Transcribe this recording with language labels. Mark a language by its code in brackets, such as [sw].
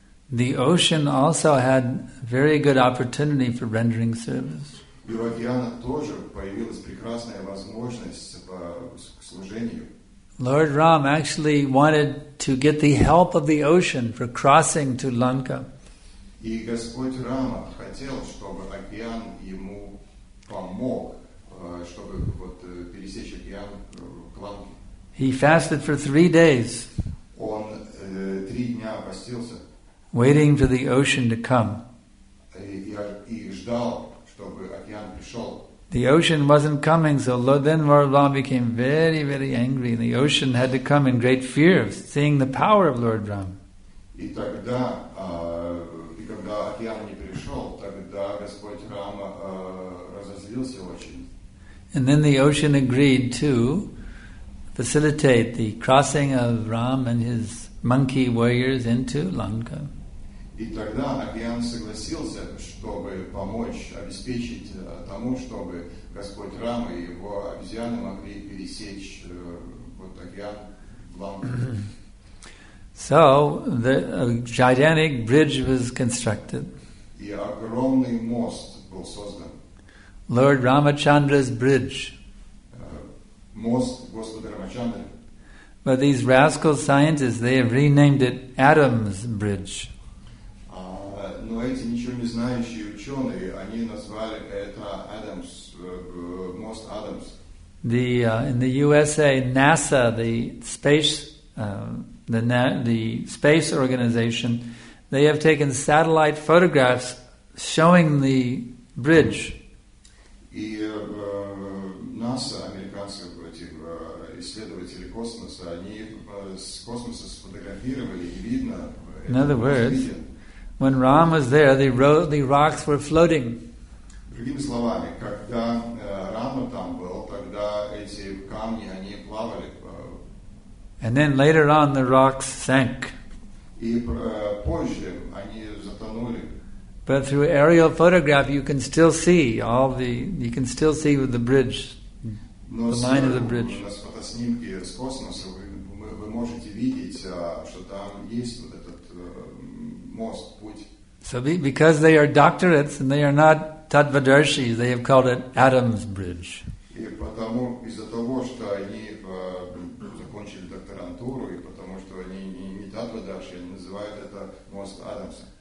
[en] The ocean also had very good opportunity for rendering service. [ru] И в океане тоже появилась прекрасная возможность к служению. [en] Lord Ram actually wanted to get the help of the ocean for crossing to Lanka. [ru] И Господь Рама хотел, чтобы океан ему помог, чтобы вот пересечь океан к Ланке. [en] He fasted for 3 days. [ru] Он 3 дня постился, [en] waiting for the ocean to come. [ru] И ждал, чтобы океан пришел. [en] The ocean wasn't coming, so then Lord Ram became very, very angry. The ocean had to come in great fear of seeing the power of Lord Ram. [ru] И тогда, когда океан не пришел, тогда Господь Рама согласился очень. [en] And then the ocean agreed to facilitate the crossing of Ram and his monkey warriors into Lanka. [ru] И тогда океан согласился, чтобы помочь обеспечить тому, чтобы Господь Рама и его обезьяны могли пересечь вот океан Ланка. [en] So a gigantic bridge was constructed. [ru] И огромный мост был создан. [en] Lord Ramachandra's bridge. [ru] Most Господа Рамачандры. [en] But these rascal scientists, they have renamed it Adam's bridge. [ru] Но эти ничего не знающие ученые, они назвали это Adam's most Adam's. [en] The in the USA, NASA, the space organization, they have taken satellite photographs showing the bridge. [ru] И НАСА, американские исследователи космоса, они с космоса сфотографировали, и видно. [en] In other words, when Ram was there, the rocks were floating. [ru] Другими словами, когда Рама там был, тогда эти камни, они плавали. [en] And then later on, the rocks sank. [ru] И позже они затонули. [en] But through aerial photograph, you can still see all the. You can still see with the bridge, [ru] Но [en] the line of the bridge. [ru] На фотоснимке с космоса вы можете видеть, что там есть вот этот мост, путь. [en] So because they are doctorates and they are not tattvadarshis, they have called it Adam's bridge. [ru] И потому из-за того, что они закончили докторантуру, и потому что они не tattvadarshis, они называют это мост Адамса.